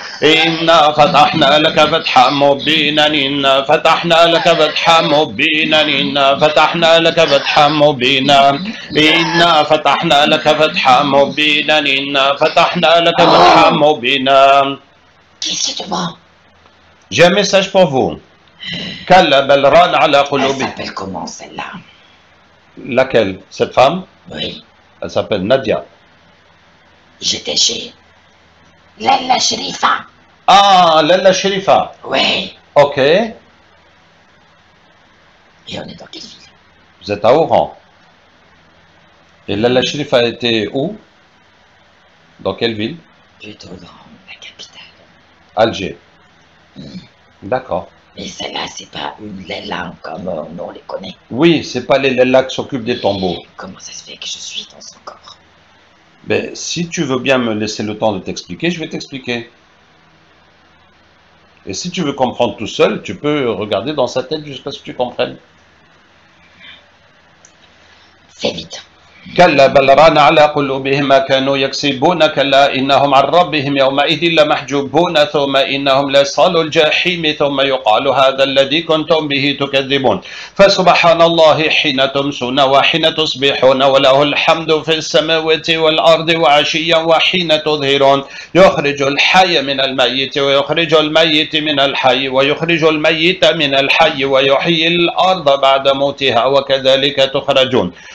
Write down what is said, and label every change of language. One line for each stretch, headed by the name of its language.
Arabic: إنا فتحنا لك فتحا مبينا إنا فتحنا لك فتحا مبينا إنا فتحنا لك فتحا مبينا إنا فتحنا لك فتحا مبينا إنا فتحنا لك فتحا مبينا
French: J'ai un message pour vous. Elle s'appelle comment celle-là? Laquelle? Cette femme? Oui. Elle s'appelle Nadia. J'étais chez Lalla Sherifa. Ah, Lalla Sherifa. Oui. Ok. Et on est dans quelle ville? Vous êtes à Oran. Et Lalla Sherifa était où? Dans quelle ville? Plutôt grand. Alger. D'accord. Mais celle-là, c'est pas une Lella comme on les connaît. Oui, c'est pas les Lella qui s'occupent des tombeaux. Comment ça se fait que je suis dans son corps? Ben, si tu veux bien me laisser le temps de t'expliquer, je vais t'expliquer. Et si tu veux comprendre tout seul, tu peux regarder dans sa tête jusqu'à ce que tu comprennes. Fais vite.
Arabic: كلا بل ران على قلوبهم ما كانوا يكسبون كلا إنهم عن ربهم يومئذ لمحجوبون ثم إنهم لصالوا الجحيم ثم يقال هذا الذي كنتم به تكذبون فسبحان الله حين تمسون وحين تصبحون وله الحمد في السماوات والأرض وعشيا وحين تظهرون يخرج الحي من الميت ويخرج الميت من الحي ويخرج الميت من الحي ويحيي الأرض بعد موتها وكذلك تخرجون